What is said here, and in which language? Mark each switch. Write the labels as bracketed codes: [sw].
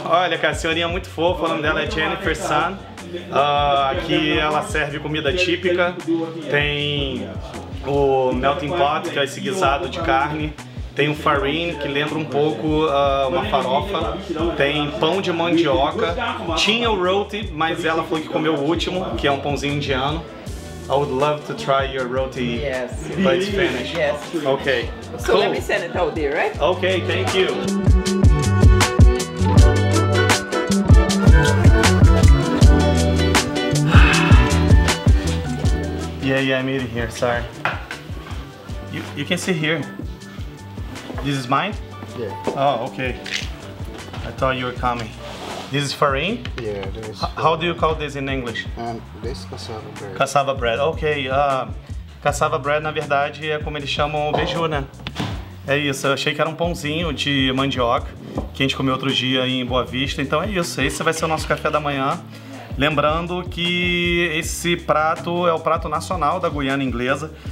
[pt] Olha, cara, a senhorinha é muito fofa. O nome dela é Jennifer Sam. Aqui ela serve comida típica. Tem o melting pot, que é esse guisado de carne. Tem o farine, que lembra um pouco uma farofa. Tem pão de mandioca. Tinha o roti, mas ela foi que comeu o último, que é um pãozinho indiano. [en] I would love to try your roti, yes, but it's finished. Yes. Okay. So cool. Let me send it out there, right? Okay, thank you. Yeah, I'm eating here, sorry. You can sit here. This is mine? Yeah. Oh, okay. I thought you were coming. This is farine? Yeah, this. How do you call this in English? This cassava bread. Cassava bread, okay. [pt] Cassava bread, na verdade, é como eles chamam o beiju, né? É isso, eu achei que era um pãozinho de mandioca, que a gente comeu outro dia em Boa Vista. Então é isso, esse vai ser o nosso café da manhã. Lembrando que esse prato é o prato nacional da Guiana Inglesa.